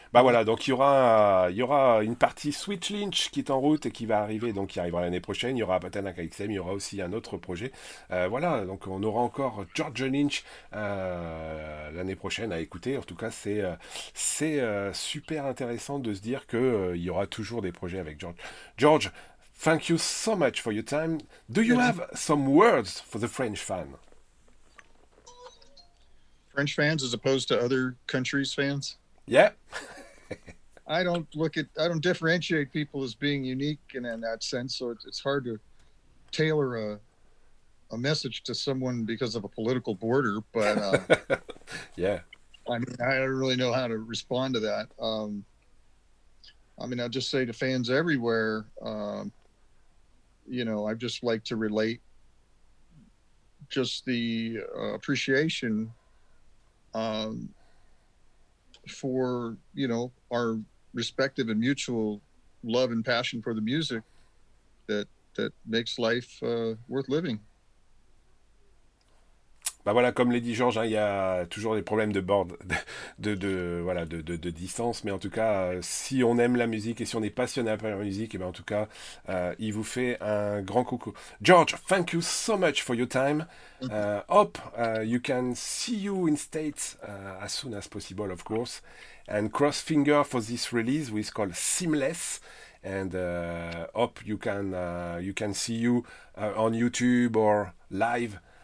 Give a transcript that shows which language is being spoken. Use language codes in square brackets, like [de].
[fr] Bah voilà, donc il y aura une partie Sweet Lynch qui est en route et qui va arriver, donc qui arrivera l'année prochaine. Il y aura Patana KXM, il y aura aussi un autre projet. Voilà, donc on aura encore George Lynch l'année prochaine à écouter. En tout cas, c'est super intéressant de se dire que il y aura toujours des projets avec George. [en] George, thank you so much for your time. Do you have some words for the French fans? French fans as opposed to other countries' fans? Yeah. I don't differentiate people as being unique in that sense. So it's hard to tailor a message to someone because of a political border. But yeah, I mean, I don't really know how to respond to that. I mean, I'll just say to fans everywhere, you know, I just like to relate just the appreciation. For, you know, our respective and mutual love and passion for the music that makes life worth living. [fr] Bah voilà, comme l'a dit Georges, hein, il y a toujours des problèmes de bord, voilà, de distance. Mais en tout cas, si on aime la musique et si on est passionné par la musique, et bien en tout cas, il vous fait un grand coucou. [en] George, thank you so much for your time. Hope you can see you in States as soon as possible, of course. And cross finger for this release, which is called Seamless. And hope you can see you on YouTube or live.